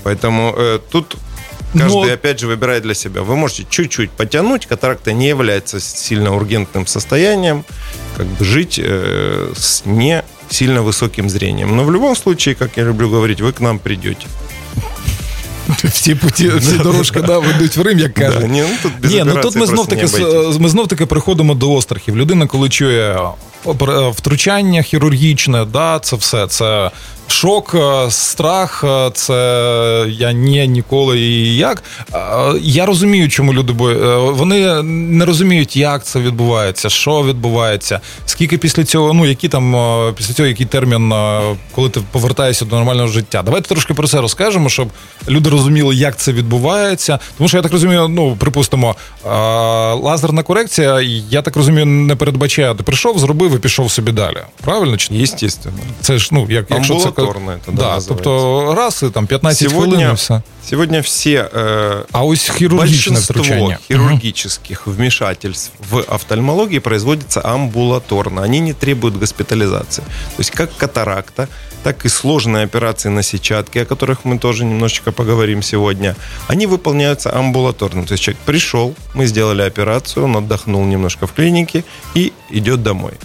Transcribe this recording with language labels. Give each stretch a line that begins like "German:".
Russian: Поэтому тут каждый, опять же, выбирает для себя. Вы можете чуть-чуть потянуть, катаракта не является сильно ургентным состоянием, как бы жить с не сильно высоким зрением. Но в любом случае, как я люблю говорить, вы к нам придете.
Ukrainian: Всі пути, всі дорожки, да, ведуть в Рим, як кажуть. Да, ні, ну тут ми знов таки приходимо до острахів. Людина, коли чує втручання хірургічне, да, це все, це шок, страх, це я ні, ніколи і як. Я розумію, чому люди боються. Вони не розуміють, як це відбувається, що відбувається, скільки після цього, ну, які там, після цього, який термін, коли ти повертаєшся до нормального життя. Давайте трошки про це розкажемо, щоб люди розуміли, як це відбувається. Тому що, я так розумію, ну, припустимо, лазерна корекція, я так розумію, не передбачає. Ти прийшов, зробив і пішов собі далі. Правильно?
Russian: Естественно.
Ukrainian: Це ж, ну, як, якщо це... Амбулаторно це да, називається. Тобто раз і там 15 хвилин і все. Сьогодні всі... а ось хірургічне втручання. Большинство хірургічних вмішательств в офтальмології производиться амбулаторно. Вони не требують госпіталізації. Тобто, як катаракта,
Russian: так и сложные операции на сетчатке, о которых мы тоже немножечко поговорим сегодня, они выполняются амбулаторно. То есть человек пришел, мы сделали операцию, он отдохнул немножко в клинике и идет домой.